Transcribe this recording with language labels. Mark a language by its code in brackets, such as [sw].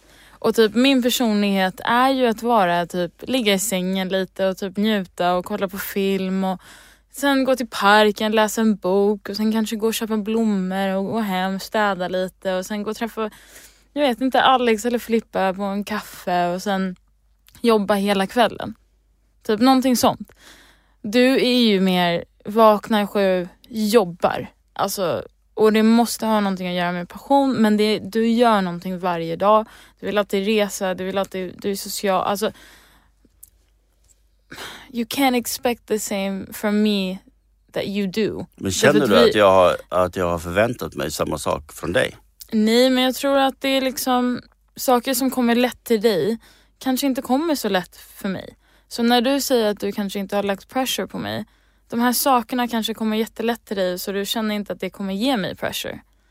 [sv] Och typ min personlighet är ju att vara typ, ligga i sängen lite och typ njuta och kolla på film och sen gå till parken, läsa en bok och sen kanske gå och köpa blommor och gå hem, städa lite och sen gå och träffa, jag vet inte, Alex eller Filippa på en kaffe och sen jobba hela kvällen. Typ någonting sånt. Du är ju mer vaknar 7, jobbar. Alltså, och det måste ha någonting att göra med passion. Men det, du gör någonting varje dag. Du vill alltid resa. Du vill alltid, du är social. [en] Alltså, you can't expect the same from me that you do. [sv] Men känner du att jag har förväntat mig samma sak från dig? Nej, men jag tror att det är liksom saker som kommer lätt till dig kanske inte kommer så lätt för mig. Så när du säger att du kanske inte har lagt pressure på mig, de här sakerna kanske kommer jättelätt till dig, så du känner inte att det kommer ge mig pressure.